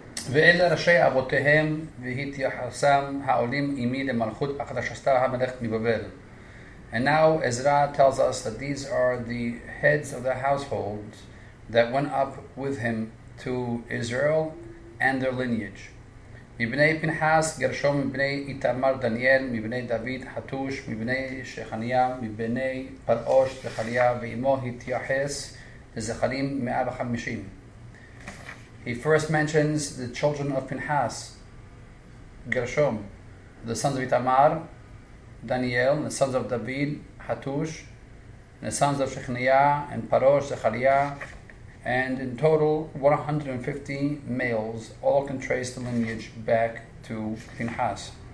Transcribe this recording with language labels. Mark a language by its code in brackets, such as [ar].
[he] ואלה ראשי אבותיהם והתייחסם העולים עימי למלכות אחשוורוש המלך מבבל. [en] And now Ezra tells us that these are the heads of the households that went up with him to Israel and their lineage. [he] מבני פנחס, גרשום, מבני איתמר, דניאל, מבני דוד, חתוש, מבני שחניה, מבני פרעוש, זכריה, ואימו התייחס לזכרים 150. [en] He first mentions the children of Pinhas, Gershom, the sons of Itamar, Daniel, the sons of David, Hatush, the sons of Shechniah and Parosh, Zechariah, and in total 150 males, all can trace the lineage back to Pinhas.